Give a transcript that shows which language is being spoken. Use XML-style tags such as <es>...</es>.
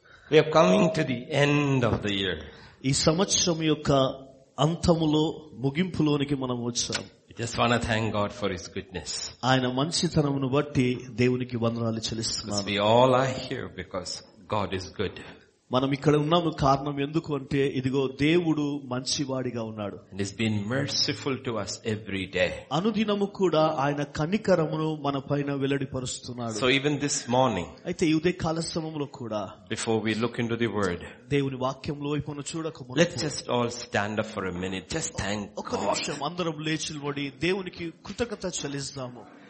<en>We are coming to the end of the year.</en> <te>ఈ సంవత్సరం యొక్క అంతములో ముగింపులోనికి మనం వచ్చాం.</te> <en>I just want to thank God for His goodness.</en> <te>ఆయన మంచితనమును బట్టి దేవునికి వందనాలు చెల్లిస్తున్నాను.</te> <en>We all are here because God is good.</en> <te>మనం ఇక్కడ ఉన్నాము కారణం ఎందుకు అంటే ఇదిగో దేవుడు మంచివాడిగా ఉన్నాడు.</te> <en>And He's been merciful to us every day.</en> <te>అనుదినము కూడా ఆయన కనికరమును మన పైన వెల్లడిపరుస్తున్నాడు.</te> <en>So even this morning,</en> <te>అయితే ఈ ఉదయకాల సమయంలో కూడా,</te> <en>before we look into the word,</en> <te>దేవుని వాక్యంలో వైపును చూడకముందు,</te> <en>let's just all stand up for a minute. Just thank God.</en> <te>ఒక నిమిషం అందరం లేచి నిలబడి దేవునికి కృతజ్ఞత చెల్లిద్దాము.</te>